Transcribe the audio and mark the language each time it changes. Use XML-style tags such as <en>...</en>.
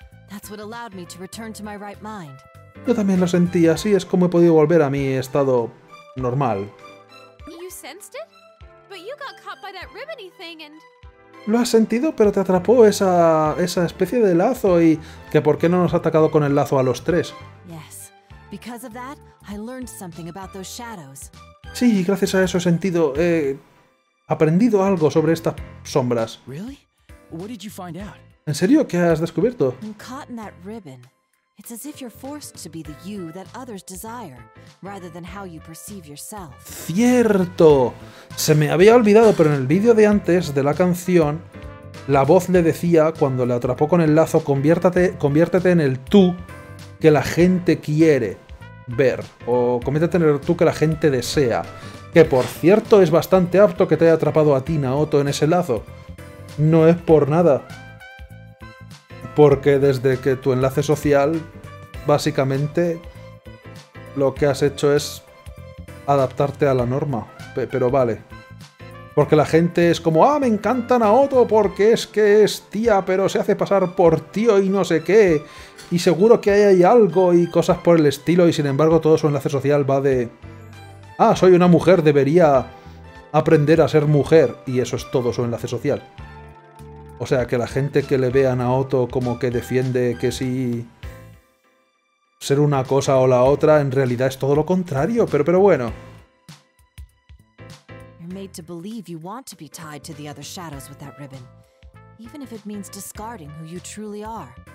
<en>That's what allowed me to return to my right mind.</en> <es>Yo también lo sentí, así es como he podido volver a mi estado normal.</es> <en>You sensed it? But you got caught by that ribbony thing and...</en> <es>Lo has sentido, pero te atrapó esa especie de lazo y... ¿Que por qué no nos ha atacado con el lazo a los tres?</es> <en>Yes. Because of that, I learned something about those shadows.</en> <es>Sí, gracias a eso he sentido... aprendido algo sobre estas sombras.</es> <en>Really? What did you find out?</en> <es>¿En serio? ¿Qué has descubierto?</es> <en>I'm caught in that ribbon. It's as if you're forced to be the you that others desire, rather than how you perceive yourself.</en> <es>¡Cierto! Se me había olvidado, pero en el vídeo de antes de la canción, la voz le decía, cuando le atrapó con el lazo, conviértete en el tú que la gente quiere ver, o conviértete en el tú que la gente desea. Que por cierto, es bastante apto que te haya atrapado a ti, Naoto, en ese lazo. No es por nada. Porque desde que tu enlace social, básicamente, lo que has hecho es adaptarte a la norma. Pero vale. Porque la gente es como, ¡ah, me encanta Naoto! Porque es que es tía, pero se hace pasar por tío y no sé qué. Y seguro que hay algo y cosas por el estilo, y sin embargo todo su enlace social va de... Ah, soy una mujer, debería aprender a ser mujer. Y eso es todo su enlace social. O sea, que la gente que le ve a Naoto como que defiende que si... ser una cosa o la otra, en realidad es todo lo contrario. Pero bueno.</es> <en>You're made to believe you want to be tied to the other shadows with that ribbon. Even if it means discarding who you truly are.</en>